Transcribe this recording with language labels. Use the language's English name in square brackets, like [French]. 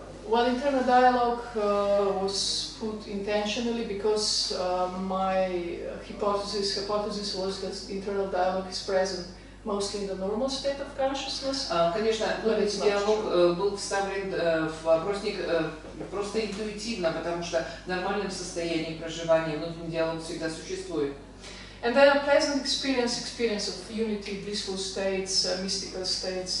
[English] Well, internal dialogue was put intentionally because my hypothesis was that internal dialogue is present mostly in the normal state of consciousness. [Russian] Конечно, внутренний диалог был вставлен в вопросник просто интуитивно, потому что в нормальном состоянии проживания внутренний диалог всегда существует. [English] And then a pleasant experience of unity, blissful states, mystical states,